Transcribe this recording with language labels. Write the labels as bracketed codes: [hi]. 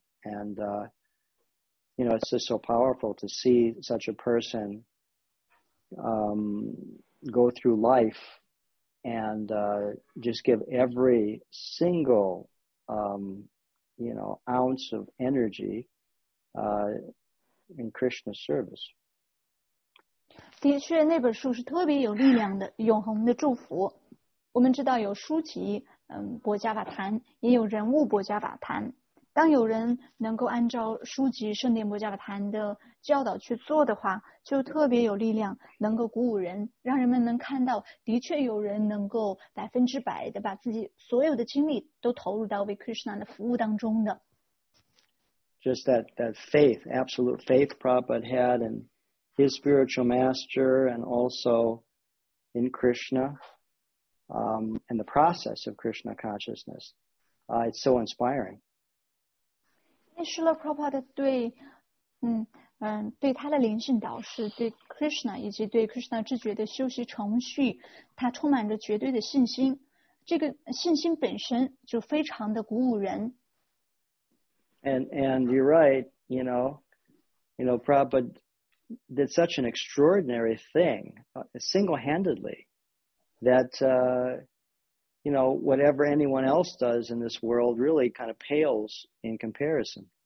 [en] And, you know, it's just so powerful to see such a person go through life and just give every single, you know, ounce of energy in Krishna service. [zh] 的确，那本书是特别有力量的，永恒的祝福。我们知道有书籍，博加瓦坛，也有人物博加瓦坛。当有人能够按照书籍《圣典博加瓦坛》的教导去做的话，就特别有力量，能够鼓舞人，让人们能看到，的确有人能够100%的把自己所有的精力都投入到为 Krishna 的服务当中的。 [en] Just that faith, absolute faith Prabhupada had in his spiritual master and also in Krishna, and the process of Krishna consciousness, it's so inspiring. [zh] Srila Prabhupada 对对他的灵性导师，对 Krishna 以及对 Krishna 智觉的修习程序，他充满着绝对的信心。这个信心本身就非常的鼓舞人。 [en] And you're right, you know, Prabhupada did such an extraordinary thing single-handedly that, you know, whatever anyone else does in this world really kind of pales in comparison.